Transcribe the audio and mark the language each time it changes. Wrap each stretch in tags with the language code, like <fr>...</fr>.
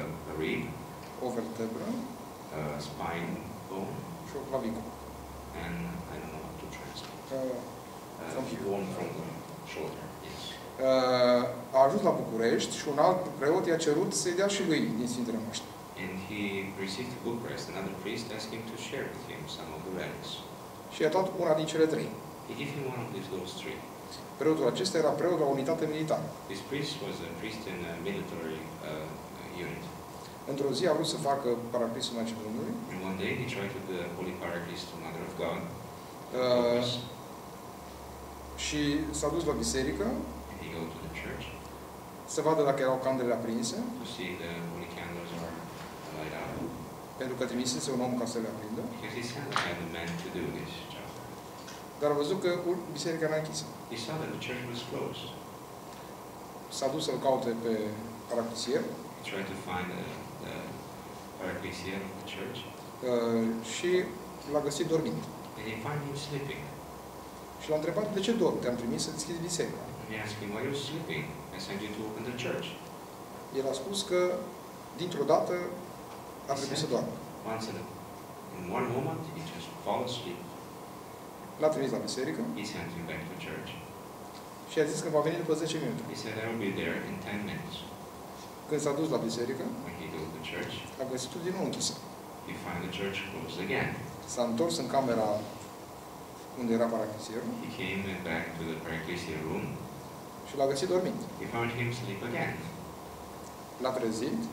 <en>a rib,</en> <ro>o vertebră,</ro> <en>a spine bone,</en> <ro>și o clavicul.</ro> <en>And I don't know what to translate. Bone from the shoulder, yes.</en> <ro>A ajuns la București și un alt preot i-a cerut să-i dea și lui din Sfintele Moaște.</ro> <en>And he received to Bucharest, another priest asked him to share with him some of the relics.</en> <ro>Și a dat una din cele trei.</ro> <en>He gave him one of those three.</en> <ro>Preotul acesta era preot la unitate militară.</ro> <en>This priest was a priest in a military unit.</en> <ro>Într-o zi a vrut să facă paraclisul Maicii Domnului.</ro> <en>And one day he tried to do the holy paraclis to Mother of God.</en> <ro>Și s-a dus la biserică.</ro> <en>And he go to the church.</en> <ro>Să vadă dacă erau candelele aprinse.</ro> <en>To see the holy candles are light up.</en> <ro>Pentru că trimisese un om ca să le aprindă.</ro> <en>Because he said that I had a man to do this job.</en> <ro>Dar a văzut că biserica era închisă.</ro> <en>He saw that the church was closed.</en> <ro>S-a dus să-l caute pe paraclisier.</ro> <en>He tried to find the paraclisier of the church.</en> <ro>Și l-a găsit dormind.</ro> <en>And he found him sleeping.</en> <ro>Și l-a întrebat, de ce dormi? Te-am trimis să deschizi biserica.</ro> <en>And he asked him, why are you sleeping? I sent you to open the church.</en> <ro>El a spus că, dintr-o dată, ar trebui să doarmă.</ro> <en>Once in one moment, he just fell asleep.</en> <ro>L-a trimis la biserică.</ro> <en>He sent him back to church.</en> <ro>Și a zis că va veni după 10 minute.</ro> <en>He said, I will be there in 10 minutes.</en> <ro>Când s-a dus la biserică,</ro> <en>when he goes to church,</en> <ro>a găsit-o din nou închisă.</ro> <en>He find the church closed again.</en> <ro>S-a întors în camera unde era paraclisierul.</ro> <en>He came back to the paraclisier room.</en> <ro>Și l-a găsit dormind.</ro> <en>He found him sleep again.</en> <ro>L-a trezit.</ro>